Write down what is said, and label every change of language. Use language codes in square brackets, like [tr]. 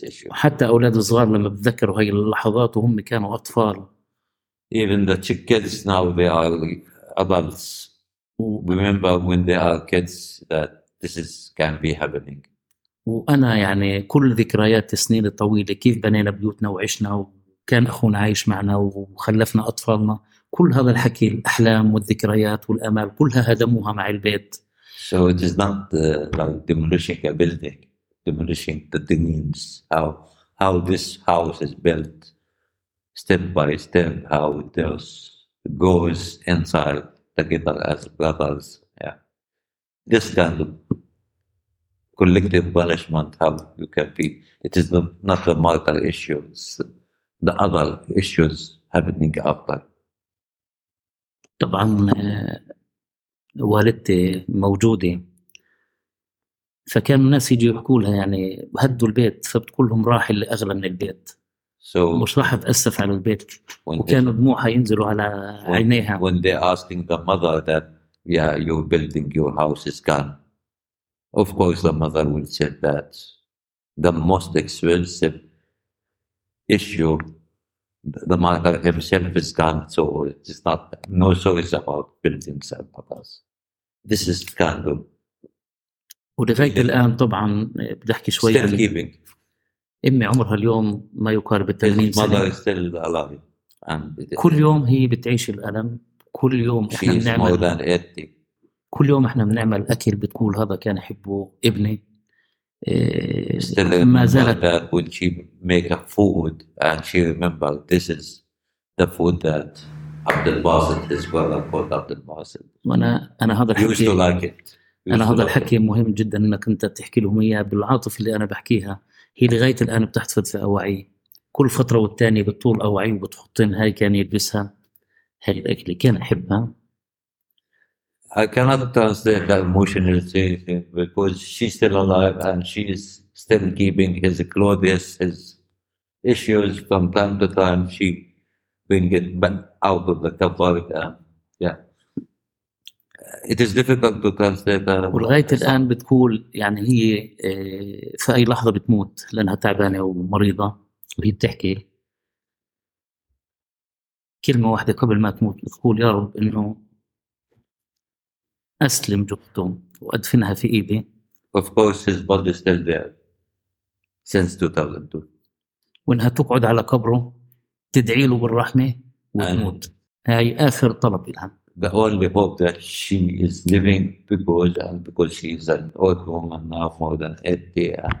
[ar] حتى أولاد الصغار لما بتذكروا هاي اللحظات وهم كانوا أطفال. [en] Even the two kids now they are adults. Remember when they are kids that this is can be happening. [ar] وأنا يعني كل ذكريات السنين الطويلة كيف بنينا بيوتنا وعشنا وكان أخونا عايش معنا وخلفنا أطفالنا. كل هذا الحكي الأحلام والذكريات والأمال كلها هدموها مع البيت. [en] So it is not like demolishing a building, demolishing the dreams, how this house is built, step by step, how it goes inside together as brothers. Yeah. This kind of collective punishment, how you can be, it is not the martyr issues, the other issues happening after. [ar] طبعا والدتي موجودة فكان الناس يجي يحكوا لها يعني هدوا البيت فبتقولهم راح اللي أغلى من البيت مش راح أتأسف على البيت وكان دموعها ينزلوا على عينيها. [en] When they asking the mother that yeah you're building your house is gone, of course the mother will say that the most expensive issue the mother himself is gone, so it's not no stories about buildings and papas. This is kind of. [ar] ودفعت الآن طبعاً بدي أحكي شوي. [en] Still keeping. [ar] إمي عمرها اليوم ما يقارب 80 سنة. [en] Mother is still alive. And [ar] كل يوم هي بتعيش الألم. كل يوم إحنا بنعمل. [en] More than 80. [ar] كل يوم إحنا بنعمل أكل بتقول هذا كان يحبه ابني. [en] Still [ar] ما زالت [en] when she make a food and she remember this is the food that Abdul Basit his brother called Abdul Basit. [ar] أنا هذا الحكي [en] used to like it. [ar] أنا هذا الحكي مهم جدا إنك أنت تحكي لهم إياه بالعاطفة اللي أنا بحكيها هي لغاية الآن بتحتفظ في أوعي كل فترة والتانية بتطول أوعي وبتحطين هاي كان يلبسها هاي الأكل كان يحبها. [en] I cannot translate the emotionality because she's still alive and she's still keeping his clothes, his issues from time to time. She bring it back out of the cupboard. Yeah. It is difficult to translate. [ar] ولغاية الآن بتقول يعني هي في أي لحظة بتموت لأنها تعبانة ومريضة وهي بتحكي كلمة واحدة قبل ما تموت بتقول يا رب إنه أسلم جثتهم وأدفنها في إيدي. [en] Of course his body is still there since 2002. [ar] وإنها تقعد على قبره تدعي له بالرحمة وتموت. هاي آخر طلب لها. [en] The only hope that she is living because she is an old woman now more than 80.